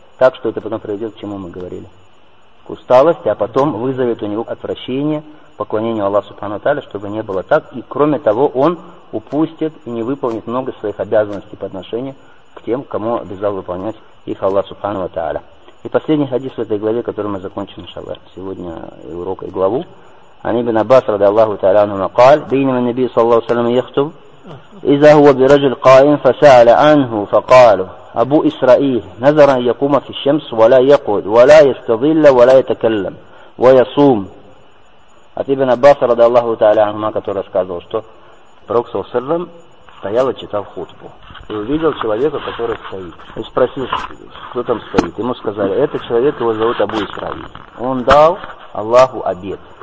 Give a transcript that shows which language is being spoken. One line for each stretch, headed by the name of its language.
Russian: Так что это потом приведет к чему мы говорили. К усталости, а потом вызовет у него отвращение, поклонение Аллаху Субхану Тааля, чтобы не было так. И кроме того, он упустит и не выполнит много своих обязанностей по отношению к тем, кому обязал выполнять их Аллах Субхану Тааля. И последний хадис в этой главе, который мы закончим, иншаллах, сегодня и урок, и главу.
Arabic: Ан ибн Аббас радиаллаху тааля анху قال: بينما النبي صلى الله عليه وسلم يخطب إذا هو برجل قائم فسأل عنه فقال أبو إسرائيل نذر أن يقوم في الشمس ولا يقعد ولا يستظل ولا يتكلم ويصوم.
Russian: От ибн Аббаса радиаллаху тааля анху, который рассказывал, что пророк саллаллаху алейхи ва саллям стоял и читал хутбу. И увидел человека, который стоит. И спросил, кто там стоит. Ему сказали, это человек, его зовут Абу Исраиль. Он дал Аллаху обет.